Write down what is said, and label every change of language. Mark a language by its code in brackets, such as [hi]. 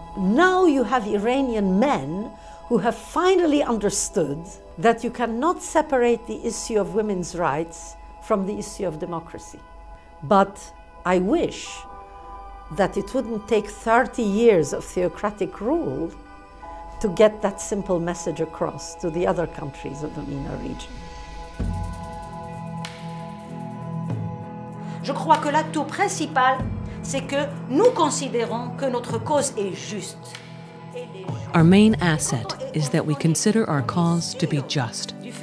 [en] Now you have Iranian men who have finally understood that you cannot separate the issue of women's rights from the issue of democracy. But I wish that it wouldn't take 30 years of theocratic rule to get that simple message across to the other countries of the MENA region. [fr] Je crois que l'acte principal, c'est que nous considérons que notre cause est juste. [en] Our main asset is that we consider our cause to be just.